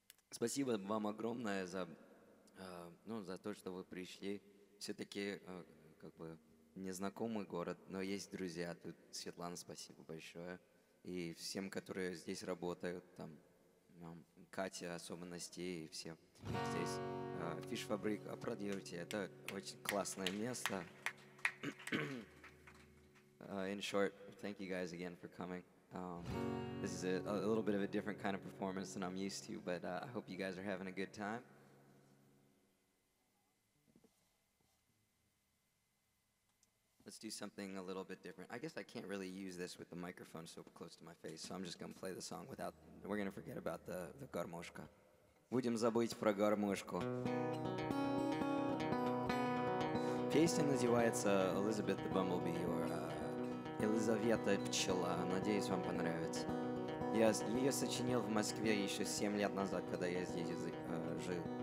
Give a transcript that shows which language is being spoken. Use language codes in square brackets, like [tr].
[ru] Спасибо вам огромное за, ну, за то, что вы пришли. Все-таки как бы незнакомый город, но есть друзья. Тут Светлана, спасибо большое. И всем, которые здесь работают, там, Катя, особенности и все здесь. Фишфабрик, аплодируйте. Это очень классное место. [en] In short, thank you guys again for coming. This is a little bit of a different kind of performance than I'm used to, but I hope you guys are having a good time. Let's do something a little bit different. I guess I can't really use this with the microphone so close to my face, so I'm just going to play the song without... We're going to forget about the гармошка. [ru] Будем забыть про гармошку. Песня называется Elizabeth the Bumblebee, or Елизавета Пчела. Надеюсь, вам понравится. Я ее сочинил в Москве еще 7 лет назад, когда я здесь жил.